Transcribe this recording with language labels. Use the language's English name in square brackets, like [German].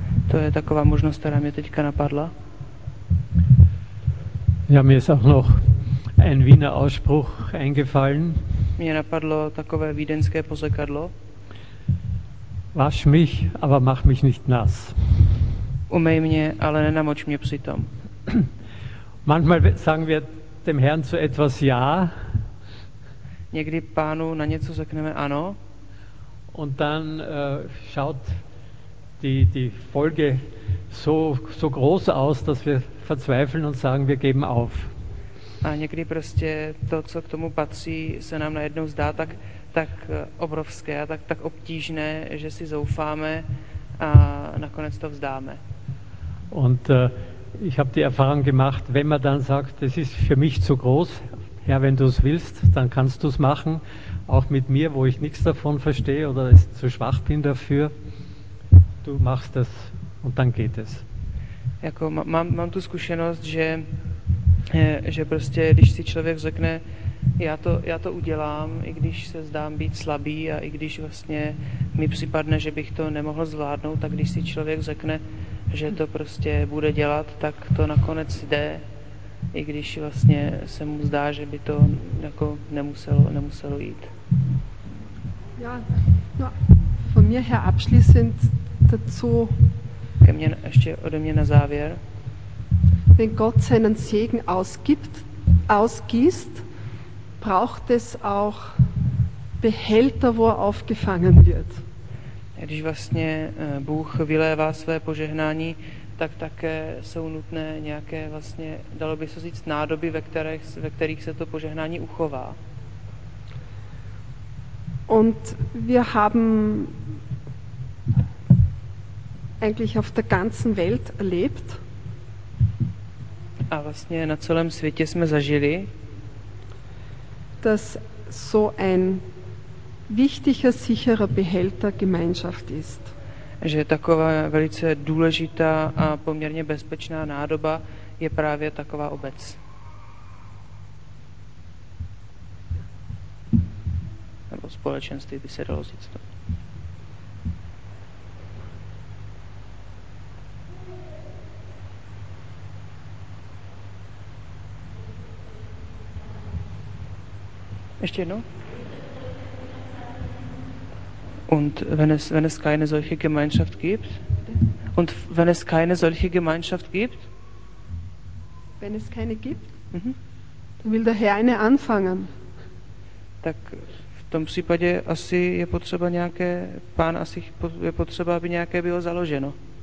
[Czech] To je taková možnost, která mě teďka napadla. [German] Ja, mir ist auch noch ein Wiener Ausspruch eingefallen. [Czech] Mir napadlo takové vídeňské pozekadlo. [German] Wasch mich, aber mach mich nicht nass. [Czech] Umej mě, ale nenamoč mě přitom. [German] Manchmal sagen wir dem Herrn zu etwas ja. [Czech] Někdy pánu na něco řekneme ano. [German] Und dann schaut die Folge so groß aus, dass wir verzweifeln und sagen, wir geben auf. [Czech] A někdy prostě to, co k tomu patří, se nám najednou zdá tak obrovské a tak obtížné, že si zoufáme a nakonec to vzdáme. [German] Und ich habe die Erfahrung gemacht, wenn man dann sagt, das ist für mich zu groß, ja, wenn du es willst, dann kannst du es machen, auch mit mir, wo ich nichts davon verstehe oder zu schwach bin dafür, du machst das und dann geht es. [Czech] Jako mám tu zkušenost, že prostě, když si člověk řekne, já to udělám, i když se zdám být slabý a i když vlastně mi připadne, že bych to nemohl zvládnout, tak když si člověk řekne, že to prostě bude dělat, tak to nakonec jde, i když vlastně se mu zdá, že by to jako nemuselo jít. [German] Ja, no, von mir her abschließend dazu. [Czech] Ke mně ještě ode mě na závěr. [German] Wenn Gott seinen Segen ausgießt, braucht es auch Behälter, wo er aufgefangen wird. [Czech] Když vlastně Bůh vylévá své požehnání, tak také jsou nutné nějaké vlastně, dalo by se říct, nádoby, ve kterých se to požehnání uchová. [German] Und wir haben eigentlich auf der ganzen Welt erlebt. [Czech] A vlastně na celém světě jsme zažili, [German] dass so ein wichtiger, sicherer Behälter Gemeinschaft ist. [Czech] Že taková velice důležitá a poměrně bezpečná nádoba je právě taková obec. Nebo společenství by se dalo říct. Ještě jednou. [German] Und wenn es keine solche Gemeinschaft gibt? Und wenn es keine solche Gemeinschaft gibt? Wenn es keine gibt? Dann will der Herr eine anfangen. [Czech] Tak v tom případě asi je potřeba nějaké, pán asi je potřeba, aby nějaké bylo založeno.